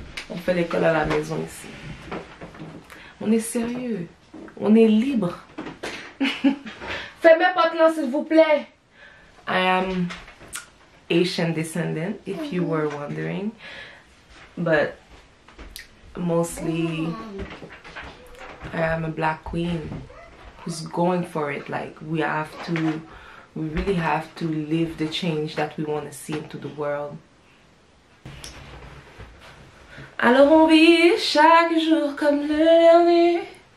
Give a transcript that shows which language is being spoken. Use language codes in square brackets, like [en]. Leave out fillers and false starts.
[fr] On fait l'école à la maison ici. On est sérieux. On est libre. Fermez pas de là, s'il vous plaît. [en] I am Asian descendant, if you were wondering. But mostly, I am a black queen who's going for it. Like, we really have to live the change that we want to see into the world. [fr] Alors on vit chaque jour comme le dernier.